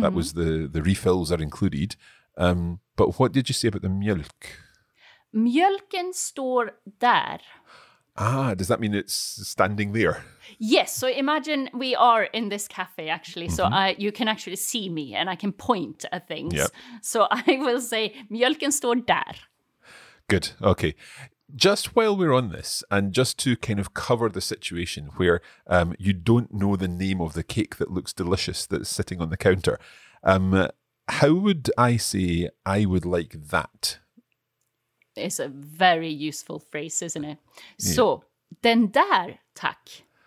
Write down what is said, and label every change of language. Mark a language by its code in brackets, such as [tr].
[en] That was the refills are included. But what did you say about the mjölk? [sv] Mjölken står där. [en] Ah, does that mean it's standing there? Yes, so imagine we are in this cafe, actually. Mm-hmm. So you can actually see me and I can point at things. Yep. So I will say, [sv] mjölken står där. [en] Good, okay. Just while we're on this, and just to kind of cover the situation where you don't know the name of the cake that looks delicious that's sitting on the counter, how would I say I would like that? It's a very useful phrase, isn't it? Yeah. So, [sv] den där, tack.